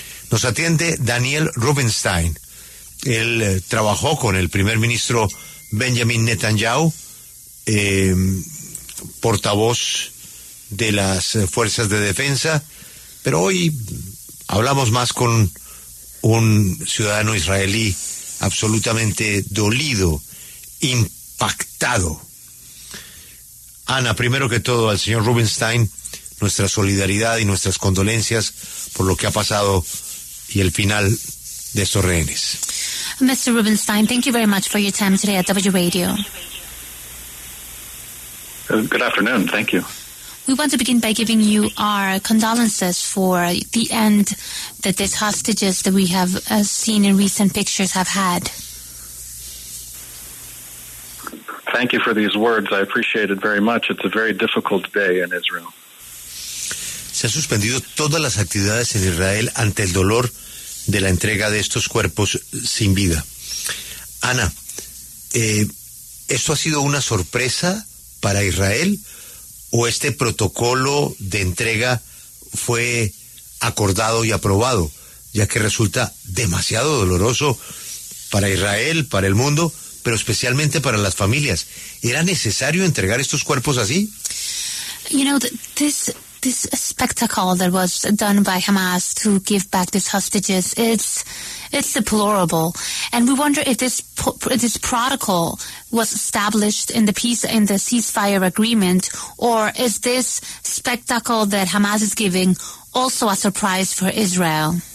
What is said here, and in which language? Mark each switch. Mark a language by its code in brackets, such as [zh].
[es] Nos atiende Daniel Rubinstein. Él trabajó con el primer ministro Benjamin Netanyahu, portavoz de las fuerzas de defensa, pero hoy hablamos más con un ciudadano israelí absolutamente dolido, impactado. Ana, primero que todo, al señor Rubinstein, nuestra solidaridad y nuestras condolencias por lo que ha pasado y el final de estos rehenes. [en] Mr. Rubinstein, thank you very much for your time today at W Radio. Good afternoon, thank you. We want to begin by giving you our condolences for the end that these hostages that we have seen in recent pictures have had. Thank you for these words. I appreciate it very much. It's a very difficult day in Israel. [es] Se han suspendido todas las actividades en Israel ante el dolor de la entrega de estos cuerpos sin vida. Ana, ¿esto ha sido una sorpresa para Israel o este protocolo de entrega fue acordado y aprobado, ya que resulta demasiado doloroso para Israel, para el mundo, pero especialmente para las familias? ¿Era necesario entregar estos cuerpos así? [en] You know, this spectacle that was done by Hamas to give back these hostages, it's deplorable, and we wonder if this protocol was established in the ceasefire agreement, or is this spectacle that Hamas is giving also a surprise for Israel?